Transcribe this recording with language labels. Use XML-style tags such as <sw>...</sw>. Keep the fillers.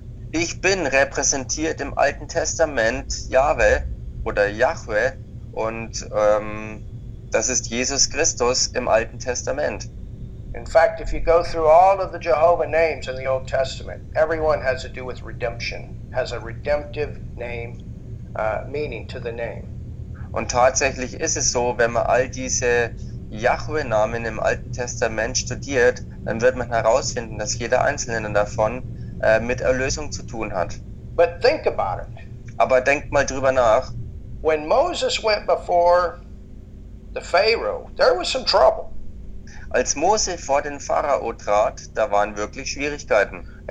<de>Ich bin repräsentiert im Alten Testament Jahwe oder Yahweh und ähm, das ist Jesus Christus im Alten Testament.</de> <en>In fact, if you go through all of the Jehovah names in the Old Testament, everyone has to do with redemption, has a redemptive name, uh, meaning to the name.</en> <de>Und tatsächlich ist es so, wenn man all diese Yahweh-Namen im Alten Testament studiert, dann wird man herausfinden, dass jeder einzelne davon uh, mit Erlösung zu tun hat.</de> <en>But think about it.</en> <de>Aber denkt mal drüber nach.</de> <en>When Moses went before the Pharaoh, there was some trouble.</en> <de>Als Mose vor den Pharao trat, da waren wirklich Schwierigkeiten.</de>